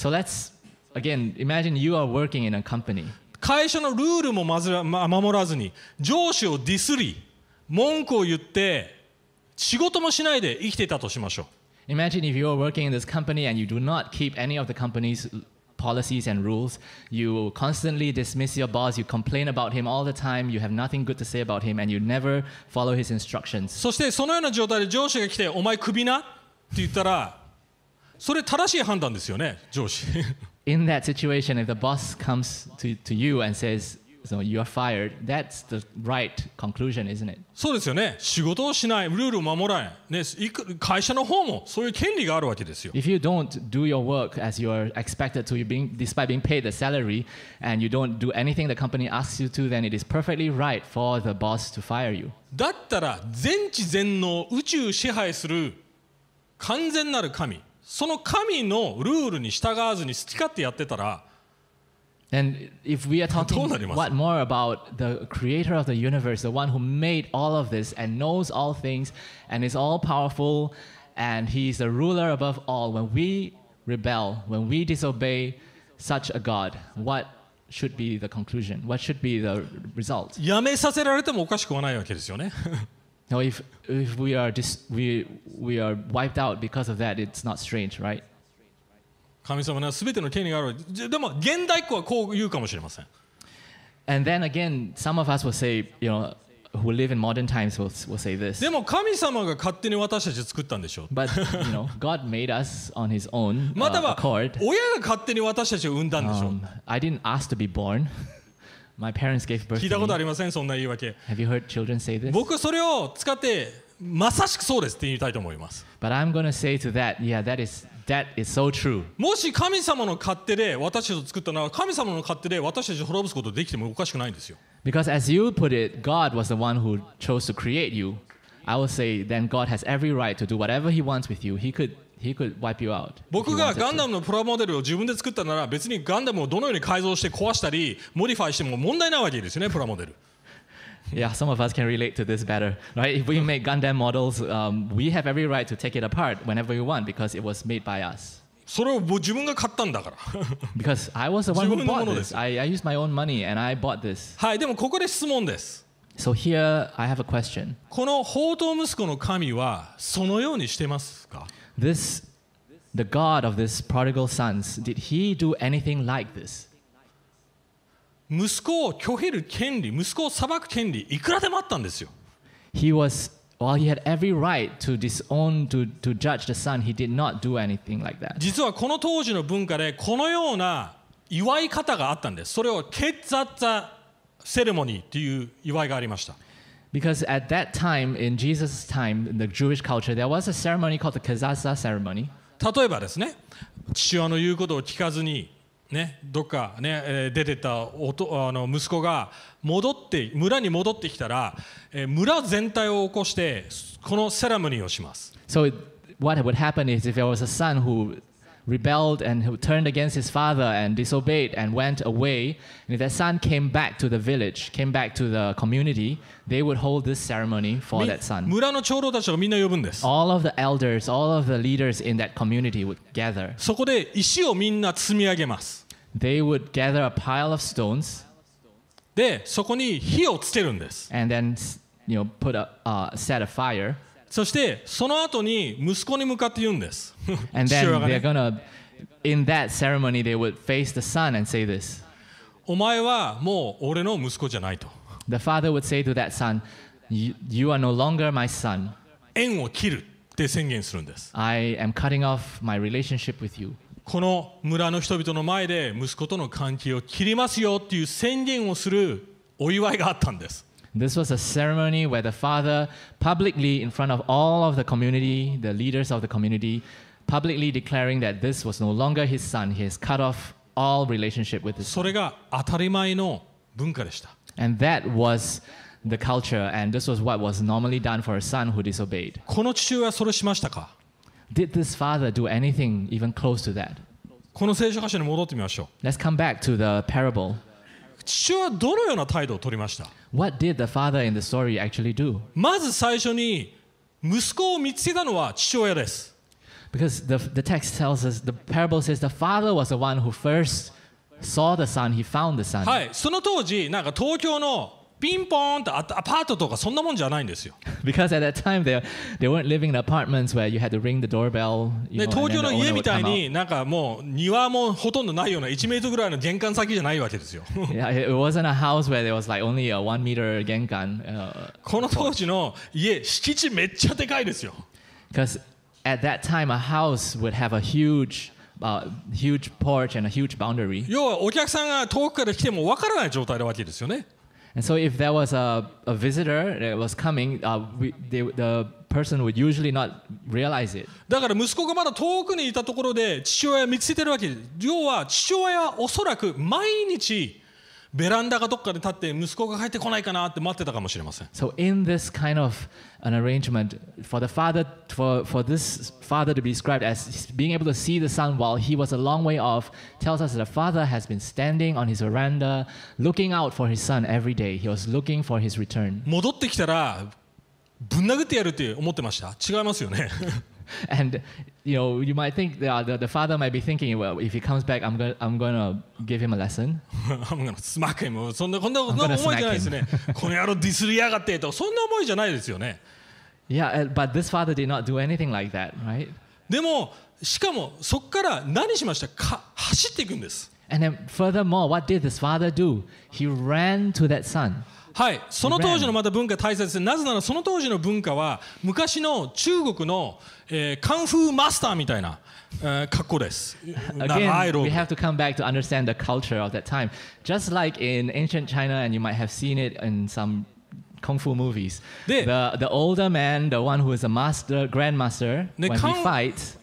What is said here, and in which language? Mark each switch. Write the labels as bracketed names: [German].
[English] So let's again imagine you are working in a company. [Japanese] 会社のルールも守らずに上司をディスり文句を言って仕事もしないで生きていたとしましょう。 [English] Imagine if you are working in this company and you do not keep any of the company's policies and rules. You constantly dismiss your boss. You complain about him all the time. You have nothing good to say about him and you never follow his instructions. [Japanese] そしてそのような状態で上司が来てお前クビなって言ったら、それ正しい判断ですよね、上司。 [English] In that situation, if the boss comes to you and says, so you are fired, that's the right conclusion, isn't it? [Japanese] そうですよね。仕事をしない、ルールを守らない、ね、会社の方もそういう権利があるわけですよ。 [English] If you don't do your work as you are expected to, despite being paid the salary, and you don't do anything the company asks you to, then it is perfectly right for the boss to fire you. [Japanese] だったら全知全能、宇宙支配する完全なる神、その神のルールに従わずに好き勝手やってたら、 [English] And if we are talking what more about the creator of the universe, the one who made all of this and knows all things and is all powerful and he is the ruler above all, when we rebel, when we disobey such a God, what should be the conclusion? What should be the result? [Japanese] やめさせられてもおかしくはないわけですよね。 [English] Now if we are we are wiped out because of that, it's not strange, right? [Japanese] 神様は全ての権利がある。でも現代っ子はこう言うかもしれません。 [English] And then again, some of us will say, you know, who live in modern times will say this. [Japanese] でも神様が勝手に私たちを作ったんでしょう。 [English] But you know, God made us on His own accord. [Japanese] または親が勝手に私たちを産んだんでしょう。 [English] I didn't ask to be born. My parents gave birth. [Japanese] 聞いたことありません、そんな言い訳。 [English] Have you heard children say this? [Japanese] 僕はそれを使ってまさしくそうですって言いたいと思います。 [English] But I'm going to say to that, yeah, that is so true. [Japanese] もし神様の勝手で私たちを作ったなら、神様の勝手で私たちを滅ぼすことができてもおかしくないんですよ。 [English] Because as you put it, God was the one who chose to create you. I will say then God has every right to do whatever He wants with you. He could wipe you out. [Japanese] 僕がガンダムのプラモデルを自分で作ったなら、別にガンダムをどのように改造して壊したり、モディファイしても問題ないわけですよね、プラモデル。 [English] Yeah, some of us can relate to this better, right? If we make Gundam models, we have every right to take it apart whenever we want because it was made by us. [Japanese] それを自分が買ったんだから。 [English] Because I was the one who bought this. I used my own money and I bought this. [Japanese] はい、でもここで質問です。 [English] So here I have a question. [Japanese] この放蕩息子の神はそのようにしてますか？ [English] This, the God of this prodigal sons, did he do anything like this? [Japanese] 息子を拒否る権利、息子を裁く権利、いくらでもあったんですよ。 [English] He was, well, he had every right to disown, to judge the son. He did not do anything like that. [Japanese] 実はこの当時の文化でこのような祝い方があったんです。それをケッツァッツァセレモニーという祝いがありました。 [English] Because at that time, in Jesus' time, in the Jewish culture, there was a ceremony called the Kezatza ceremony. [Japanese] 例えばですね、父親の言うことを聞かずに、ね、どっか、ね、出てた息子が戻って村に戻ってきたら、村全体を起こしてこのセレモニーをします。 [English] So what would happen is if there was a son who rebelled and who turned against his father and disobeyed and went away, and if that son came back to the village, came back to the community, they would hold this ceremony for that son. [Japanese] 村の長老たちがみんな呼ぶんです。 [English] All of the elders, all of the leaders in that community would gather. [Japanese] そこで石をみんな積み上げます。 [English] They would gather a pile of stones. [Japanese] で、そこに火をつけるんです。 [English] And then, you know, put a, set a fire. [Japanese] そしてその後に息子に向かって言うんです。 [English] And then they're gonna, in that ceremony, they would face the son and say this. [Japanese] お前はもう俺の息子じゃないと。 [English] The father would say to that son, you are no longer my son. [Japanese] 縁を切るって宣言するんです。 [English] I am cutting off my relationship with you. [Japanese] この村の人々の前で息子との関係を切りますよっていう宣言をするお祝いがあったんです。 [English] This was a ceremony where the father publicly, in front of all of the community, the leaders of the community, publicly declaring that this was no longer his son. He has cut off all relationship with his son. [Japanese] それが当たり前の文化でした。 [English] And that was the culture, and this was what was normally done for a son who disobeyed. [Japanese] この父親はそれしましたか? [English] Did this father do anything even close to that? [Japanese] この聖書箇所に戻ってみましょう。 [English] Let's come back to the parable. [Japanese] 父親はどのような態度を取りました? [English] What did the father in the story actually do? [Japanese] まず最初に息子を見つけたのは父親です。 [English] Because the text tells us, the parable says the father was the one who first saw the son, he found the son. [Japanese] はい、その当時なんか東京のピンポーンとアパートとかそんなもんじゃないんですよ。 [English] Because at that time they weren't living in apartments where you had to ring the doorbell. You know, [Japanese] 東京の家みたいになんかもう庭もほとんどないような1メートルぐらいの玄関先じゃないわけですよ。 [English] Yeah, it wasn't a house where there was like only a 1 meter 玄関。 [Japanese] この当時の家敷地めっちゃでかいですよ。 [English] Because at that time a house would have a huge porch and a huge boundary. [Japanese] 要はお客さんが遠くから来てもわからない状態なわけですよね。 [English] And so if there was a visitor that was coming, the person would usually not realize it. [Japanese] だから息子がまだ遠くにいたところで父親を見つけてるわけです。要は父親はおそらく毎日ベランダかどっかで立って息子が帰ってこないかなって待ってたかもしれません。 [English] So in this kind of an arrangement, for this father to be described as being able to see the son while he was a long way off, tells us that the father has been standing on his veranda, looking out for his son every day. He was looking for his return. [Japanese] 戻ってきたらぶん殴ってやるって思ってました。違いますよね。 [English] And you know, you might think the father might be thinking, well, if he comes back, I'm gonna give him a lesson. I'm gonna smack him. [Japanese] そんなこんな思いじゃないですね。この野郎ディスりやがってとそんな思いじゃないですよね。 [English] Yeah, but this father did not do anything like that, right? [Japanese] でもしかもそこから何しました？走っていくんです。 [English] And then furthermore, what did this father do? He ran to that son. [Japanese] はい、その当時のまた文化大切です。なぜならその当時の文化は昔の中国の、カンフーマスターみたいな、格好です。 [English] Again, we have to come back to understand the culture of that time. Just like in ancient China, and you might have seen it in some kung fu movies. The older man, the one who is a master, grandmaster, when he fights,